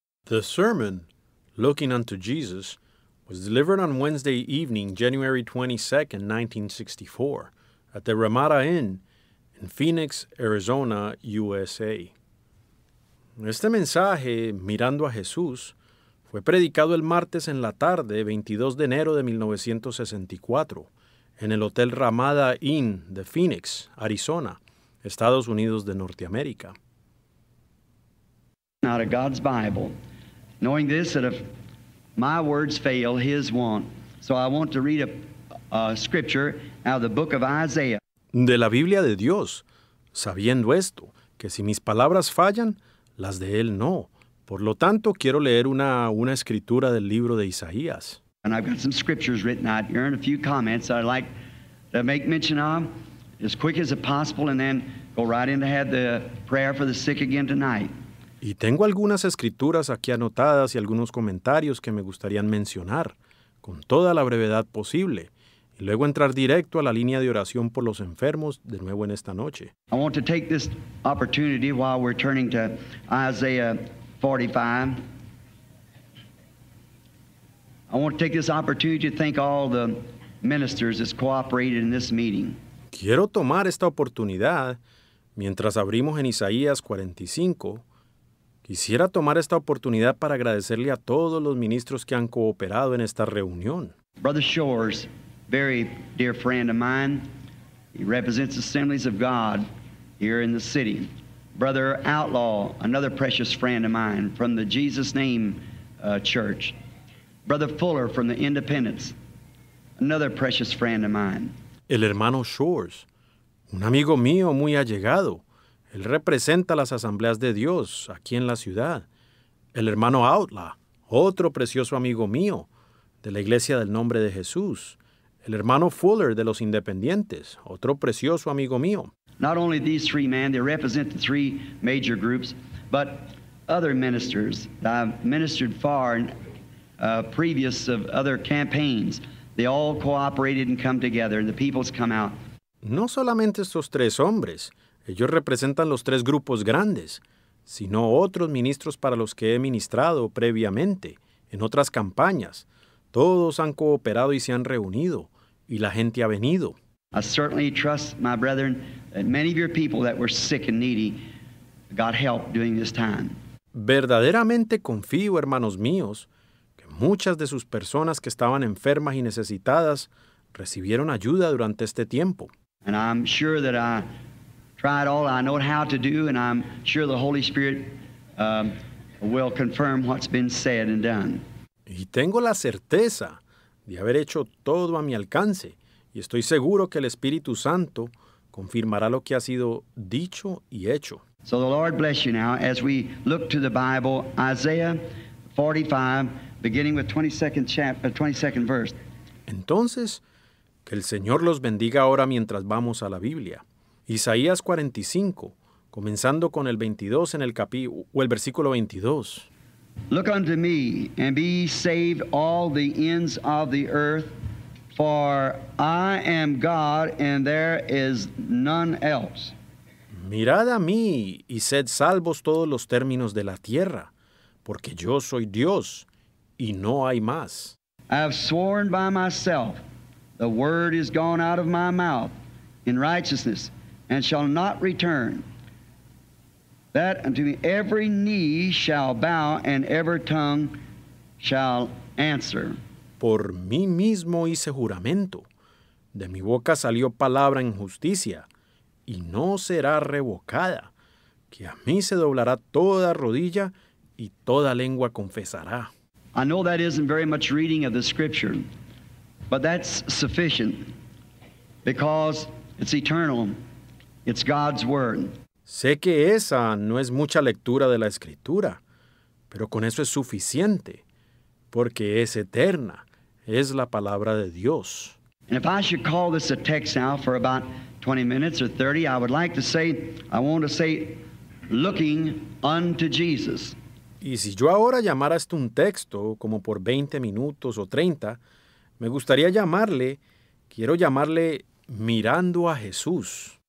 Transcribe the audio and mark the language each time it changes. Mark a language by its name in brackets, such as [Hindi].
[English] The sermon, Looking Unto Jesus, was delivered on Wednesday evening, January 22, 1964, at the Ramada Inn in Phoenix, Arizona, USA. [Spanish] Este mensaje, Mirando a Jesús, fue predicado el martes en la tarde, 22 de enero de 1964, en el Hotel Ramada Inn de Phoenix, Arizona, Estados Unidos de Norteamérica. [English] Out of God's Bible. Knowing this, that if my words fail, his won't. So I want to read a scripture out of the book of Isaiah. [Spanish] De la Biblia de Dios, sabiendo esto, que si mis palabras fallan, las de él no. Por lo tanto, quiero leer una escritura del libro de Isaías. [English] And I've got some scriptures written out here and a few comments I'd like to make mention of as quick as possible and then go right in to have the prayer for the sick again tonight. [Spanish] Y tengo algunas escrituras aquí anotadas y algunos comentarios que me gustaría mencionar, con toda la brevedad posible, y luego entrar directo a la línea de oración por los enfermos de nuevo en esta noche. [English] I want to take this opportunity while we're turning to Isaiah 45. I want to take this opportunity to thank all the ministers that's cooperated in this meeting. [Spanish] Quiero tomar esta oportunidad, mientras abrimos en Isaías 45, quisiera tomar esta oportunidad para agradecerle a todos los ministros que han cooperado en esta reunión. [English] Brother Shores, very dear friend of mine, he represents the Assemblies of God here in the city. Brother Outlaw, another precious friend of mine from the Jesus Name Church. Brother Fuller from the Independents, another precious friend of mine. [Spanish] El hermano Shores, un amigo mío muy allegado. Él representa las Asambleas de Dios aquí en la ciudad. El hermano Outlaw, otro precioso amigo mío de la Iglesia del Nombre de Jesús. El hermano Fuller de los Independientes, otro precioso amigo mío. [English] Not only these three men, they represent the three major groups, but other ministers that I've ministered for previous of other campaigns. They all cooperated and come together, and the people's come out. [Spanish] No solamente estos tres hombres. Ellos representan los tres grupos grandes, sino otros ministros para los que he ministrado previamente, en otras campañas. Todos han cooperado y se han reunido, y la gente ha venido. [English] I certainly trust, my brethren, that many of your people that were sick and needy got help during this time. [Spanish] Verdaderamente confío, hermanos míos, que muchas de sus personas que estaban enfermas y necesitadas recibieron ayuda durante este tiempo. [English] And I'm sure that I tried all I know how to do, and I'm sure the Holy Spirit will confirm what's been said and done. [Spanish] Y tengo la certeza de haber hecho todo a mi alcance, y estoy seguro que el Espíritu Santo confirmará lo que ha sido dicho y hecho. [English] So the Lord bless you now as we look to the Bible, Isaiah 45, beginning with 22nd verse. [Spanish] Entonces, que el Señor los bendiga ahora mientras vamos a la Biblia. Isaías 45, comenzando con el 22 en el versículo 22. [English] Look unto me, and be saved all the ends of the earth, for I am God, and there is none else. [Spanish] Mirad a mí, y sed salvos todos los términos de la tierra, porque yo soy Dios, y no hay más. [English] I have sworn by myself, the word is gone out of my mouth, in righteousness, and shall not return, that unto me every knee shall bow, and every tongue shall answer. [Spanish] Por mí mismo hice juramento. De mi boca salió palabra en justicia, y no será revocada, que a mí se doblará toda rodilla, y toda lengua confesará. [English] I know that isn't very much reading of the scripture, but that's sufficient, because it's eternal. It's God's word. [Spanish] Sé que esa no es mucha lectura de la Escritura, pero con eso es suficiente, porque es eterna, es la palabra de Dios. [English] And if I should call this a text now for about 20 minutes or 30, I would like to say, I want to say, looking unto Jesus. [Spanish] Y si yo ahora llamara esto un texto, como por 20 minutos o 30, me gustaría llamarle, quiero llamarle, mirando a Jesús.